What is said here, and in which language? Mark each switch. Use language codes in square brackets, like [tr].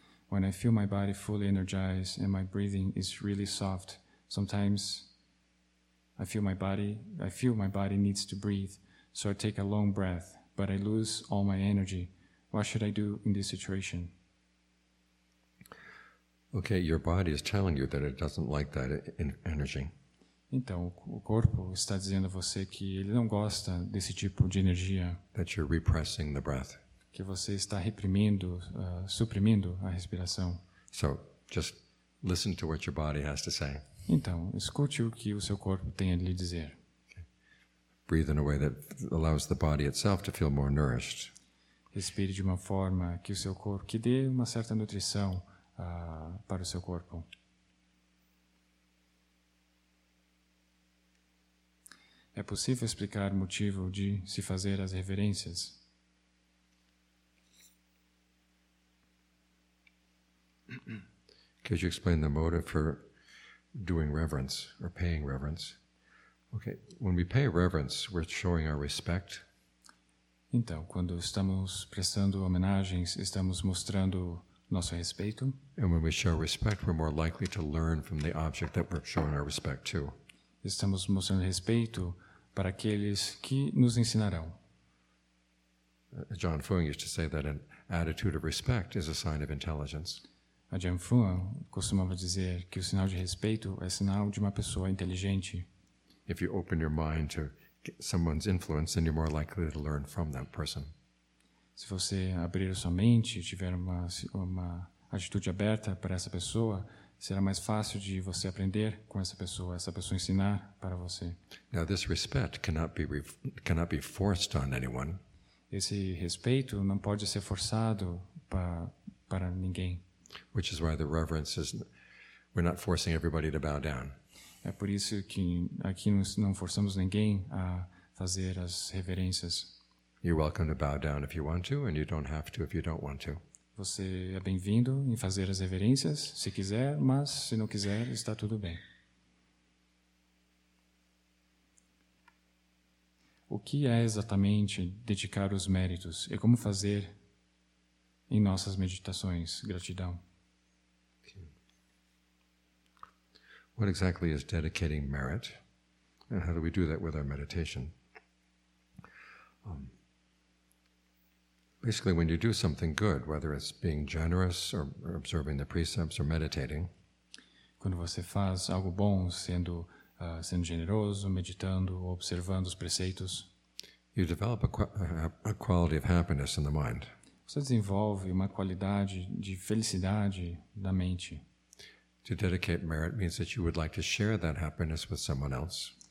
[en] When I feel my body fully energized and my breathing is really soft, sometimes I feel my body needs to breathe, so I take a long breath, but I lose all my energy. What should I do in this situation? Okay, your body is telling you that it doesn't like that energy. [pt] Então, o corpo está dizendo a você que ele não gosta desse tipo de energia. [en] That you're repressing the breath. [pt] Que você está reprimindo, suprimindo a respiração. [en] So, just listen to what your body has to say. [pt] Então, escute o que o seu corpo tem a lhe dizer. [en] Okay. Breathe in a way that allows the body itself to feel more nourished. [pt] Respire de uma forma que o seu corpo, que dê uma certa nutrição para o seu corpo. É possível explicar o motivo de se fazer as reverências? [en] Could you explain the motive for doing reverence or paying reverence? Okay, when we pay reverence, we're showing our respect. [pt] Então, quando estamos prestando homenagens, estamos mostrando nosso respeito. [en] And when we show respect, we're more likely to learn from the object that we're showing our respect to. [pt] Estamos mostrando respeito para aqueles que nos ensinarão. [en] John Fung used to say that an attitude of respect is a sign of intelligence. [pt] A John Fung costumava dizer que o sinal de respeito é sinal de uma pessoa inteligente. [en] If you open your mind to someone's influence, then you're more likely to learn from that person. [pt] Se você abrir sua mente e tiver uma atitude aberta para essa pessoa, será mais fácil de você aprender com essa pessoa ensinar para você. [en] Now, this respect cannot be forced on anyone. [pt] Esse respeito não pode ser forçado para ninguém. [en] Which is why the reverence is, we're not forcing everybody to bow down. [pt] É por isso que aqui não forçamos ninguém a fazer as reverências. [en] You're welcome to bow down if you want to, and you don't have to if you don't want to. [pt] Você é bem-vindo em fazer as reverências, se quiser, mas se não quiser, está tudo bem. O que é exatamente dedicar os méritos e como fazer em nossas meditações gratidão? [en] What exactly is dedicating merit? And how do we do that with our meditation? Basically, when you do something good, whether it's being generous or observing the precepts or meditating, [pt] quando você faz algo bom, sendo generoso, meditando ou observando os preceitos, [en] you develop a quality of happiness in the mind. [pt] Você desenvolve uma qualidade de felicidade na mente. [en] To dedicate merit means that you would like to share that happiness with someone else.